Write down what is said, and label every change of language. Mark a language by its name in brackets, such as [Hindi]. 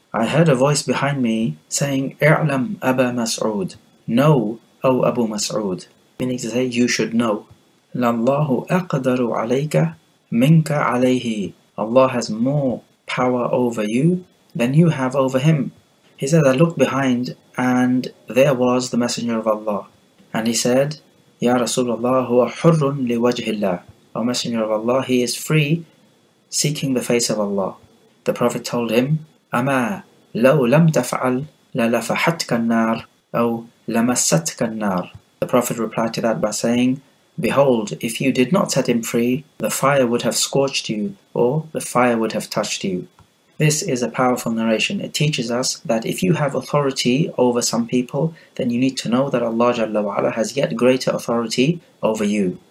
[English] I heard a voice behind me saying, [Arabic] اعلم أبا مسعود, [English] know, O Abu Mas'ud, meaning to say, you should know. [Arabic] لله أقدر عليك منك عليه. [English] Allah has more power over you than you have over him. He said, I looked behind and there was the Messenger of Allah. And he said, [Arabic] يا رسول الله هو حر لوجه الله. [English] O Messenger of Allah, he is free seeking the face of Allah. The Prophet told him, [Arabic] أما لو لم تفعل للفحتك النار أو لمستك النار. [English] The Prophet replied to that by saying, behold, if you did not set him free, the fire would have scorched you, or the fire would have touched you. This is a powerful narration. It teaches us that if you have authority over some people, then you need to know that Allah Jalla wa'ala has yet greater authority over you.